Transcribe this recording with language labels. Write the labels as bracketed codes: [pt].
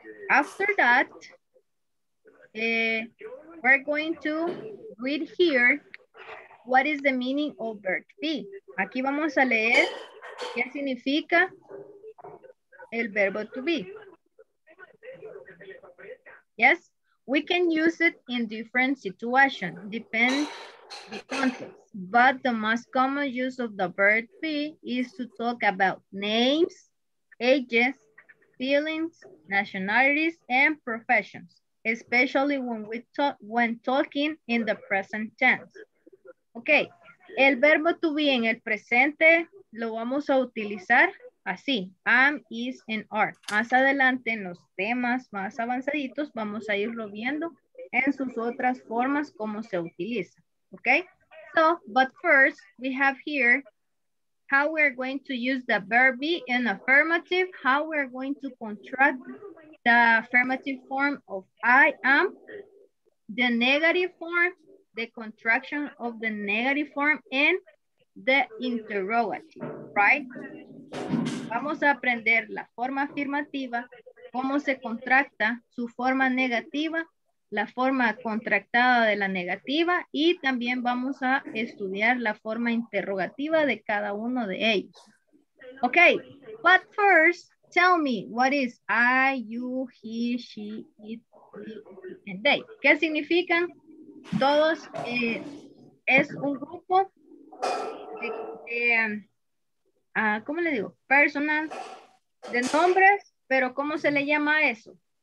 [en] After that, we're going to read here what is the meaning of verb to be. [es] Aquí vamos a leer qué significa el verbo to be. [en] Yes, we can use it in different situations, depend the context. But the most common use of the verb to be is to talk about names, ages, feelings, nationalities, and professions, especially when we talk when talking in the present tense. [es] Ok, el verbo to be en el presente lo vamos a utilizar así, am, is, and are. Más adelante en los temas más avanzaditos vamos a irlo viendo en sus otras formas cómo se utiliza. [en] Ok, so, but first we have here how we are going to use the verb be in affirmative, how we are going to contract the affirmative form of I am, the negative form, the contraction of the negative form, and the interrogative, right? [es] Vamos a aprender la forma afirmativa, cómo se contracta su forma negativa, la forma contractada de la negativa, y también vamos a estudiar la forma interrogativa de cada uno de ellos. [en] Okay, but first, tell me, what is I, you, he, she, it, we, and they? [es] ¿Qué significan? Todos es un grupo de ¿cómo le digo? Personal, de nombres, pero ¿cómo se le llama eso?